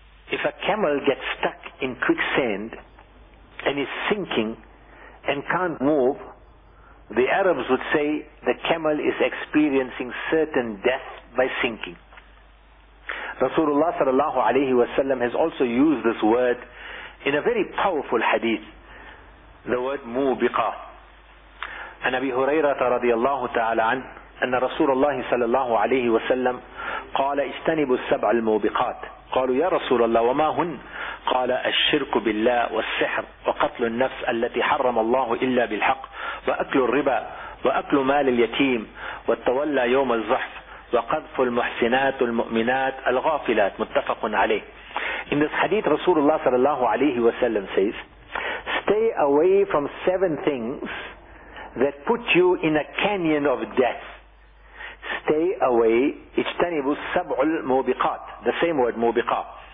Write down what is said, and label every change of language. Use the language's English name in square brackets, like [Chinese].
[English] If a camel gets stuck in quicksand and is sinking and can't move, the Arabs would say the camel is experiencing certain death by sinking. Rasulullah sallallahu alayhi wa sallam has also used this word in a very powerful hadith, the word mubiqa. [Arabic] عن أبي هريرة رضي الله تعالى عنه أن رسول الله صلى الله عليه وسلم قال اجتنبوا السبع الموبقات. قالوا يا رسول الله وما هن؟ قال الشرك بالله والسحر وقتل النفس التي حرم الله إلا بالحق وأكل الربا وأكل مال اليتيم والتولى يوم الزحف وقذف المحسنات المؤمنات الغافلات. متفق عليه. [English] In this hadith, Rasulullah sallallahu alayhi wa sallam says, stay away from seven things that put you in a canyon of death. Stay away, [Arabic] اجتنبوا السبع الموبقات, [English] the same word, موبقات.